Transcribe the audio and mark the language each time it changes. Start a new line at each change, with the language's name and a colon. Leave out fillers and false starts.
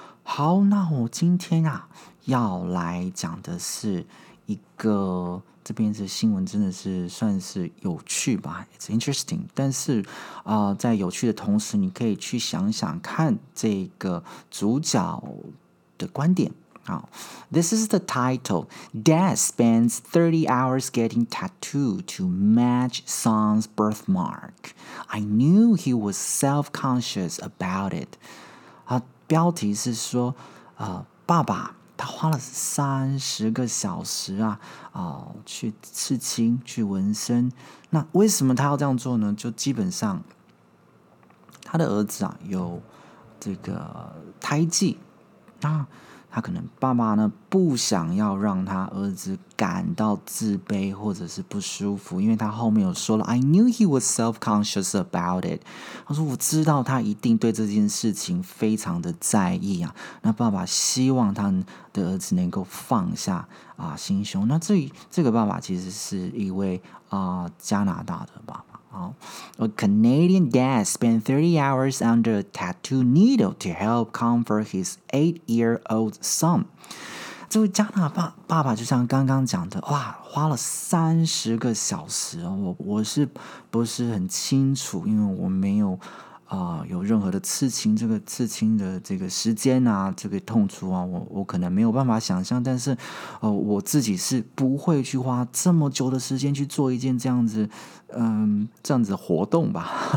Chinese: 好，那我今天啊要来讲的是一个。这边的新闻真的是算是有趣吧 ， It's interesting。但是在有趣的同时，你可以去想想看这个主角的观点。
English: 好 ，This is the title. Dad spends 30 hours getting tattoo to match son's birthmark. I knew he was self-conscious about it.
Chinese: 标题是说爸爸。他花了30个小时去刺青，去纹身。那为什么他要这样做呢？就基本上，他的儿子有这个胎记，那他可能爸爸呢不想要让他儿子感到自卑或者是不舒服，因为他后面有说了 ， I knew he was self-conscious about it。他说我知道他一定对这件事情非常的在意啊。那爸爸希望他的儿子能够放下心胸。那这个爸爸其实是一位加拿大的爸爸。
English: A Canadian dad spent 30 hours under a tattoo needle to help comfort his 8-year-old son.
Chinese: 这位加拿大爸爸就像刚刚讲的，哇，花了30个小时，我是不是很清楚，因为我没有有任何的刺青，这个刺青的这个时间啊，这个痛楚啊，我可能没有办法想象，但是我自己是不会去花这么久的时间去做一件这样子这样子活动吧。